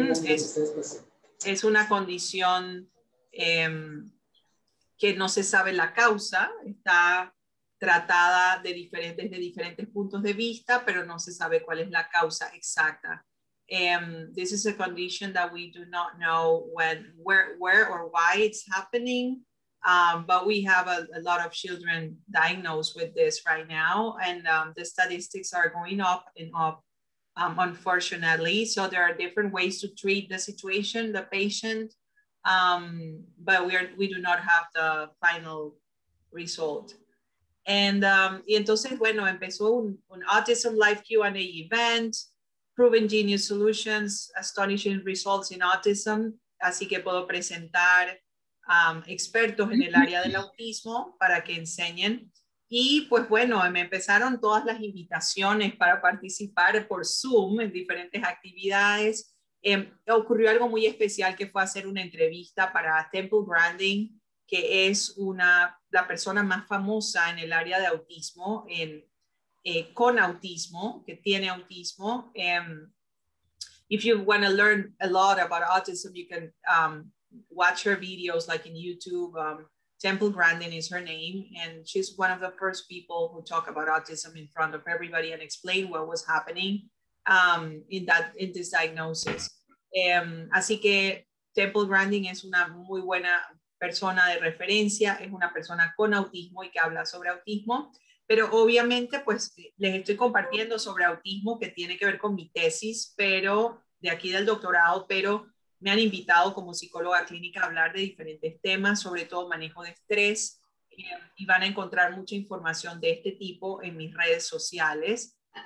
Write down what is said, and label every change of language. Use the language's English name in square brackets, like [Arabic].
[Spanish] Es una condición que no se sabe la causa, está tratada de diferentes puntos de vista, pero no se sabe cuál es la causa exacta. [English] This is a condition that we do not know where or why it's happening, but we have a lot of children diagnosed with this right now, and the statistics are going up and up, unfortunately. So there are different ways to treat the situation, the patient, but we do not have the final result. [Spanish] And y entonces, bueno, empezó un Autism Live Q&A event, Proven Genius Solutions, Astonishing Results in Autism. Así que puedo presentar expertos en el área del autismo para que enseñen. Y pues bueno, me empezaron todas las invitaciones para participar por Zoom en diferentes actividades. Ocurrió algo muy especial, que fue hacer una entrevista para Temple Grandin, que es la persona más famosa en el área de autismo, con autismo, que tiene autismo. [English] If you want to learn a lot about autism, you can watch her videos, like in YouTube. Temple Grandin is her name, and she's one of the first people who talk about autism in front of everybody and explain what was happening. in that in this diagnosis. [Spanish] Así que Temple Grandin es una muy buena persona de referencia, es una persona con autismo y que habla sobre autismo, pero obviamente pues les estoy compartiendo sobre autismo que tiene que ver con mi tesis, pero de aquí del doctorado, pero me han invitado como psicóloga clínica a hablar de diferentes temas, sobre todo manejo de estrés, y van a encontrar mucha información de este tipo en mis redes sociales.